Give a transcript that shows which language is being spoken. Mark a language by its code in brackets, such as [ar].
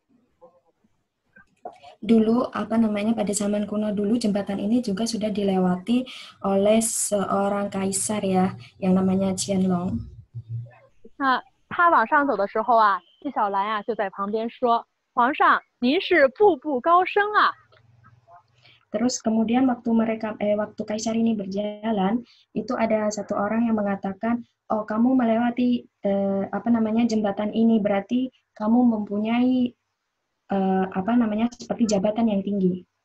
[zh] 当年乾隆爷和纪晓岚呢一起从这经过时候，乾隆爷呢就慢慢的往上走。 [id] Dulu apa namanya pada zaman kuno dulu jembatan ini juga sudah dilewati oleh seorang kaisar ya yang namanya Qianlong. [zh] 那他往上走的时候啊，纪晓岚呀就在旁边说：“皇上，您是步步高升啊。” [id] Terus kemudian waktu mereka waktu kaisar ini berjalan, itu ada satu orang yang mengatakan, oh kamu melewati apa namanya jembatan ini berarti kamu mempunyai apa namanya seperti jabatan yang tinggi.